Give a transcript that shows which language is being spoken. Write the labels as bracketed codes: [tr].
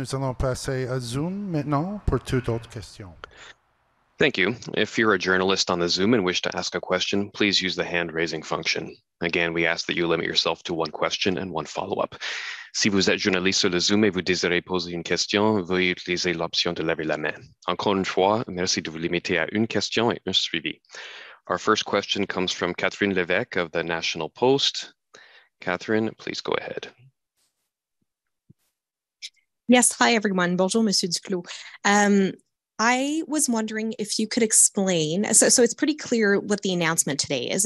[fr] Nous allons passer à Zoom maintenant pour toute autre question. [en] Thank you. If you're a journalist on the Zoom and wish to ask a question, please use the hand-raising function. Again, we ask that you limit yourself to one question and one follow-up. [fr] Si vous êtes journaliste sur le Zoom et vous désirez poser une question, veuillez utiliser l'option de lever la main. Encore une fois, merci de vous limiter à une question et un suivi. [en] Our first question comes from Catherine Lévesque of the National Post. Catherine, please go ahead. Yes, hi everyone. [fr] Bonjour, Monsieur Duclos. [en] I was wondering if you could explain, so it's pretty clear what the announcement today is.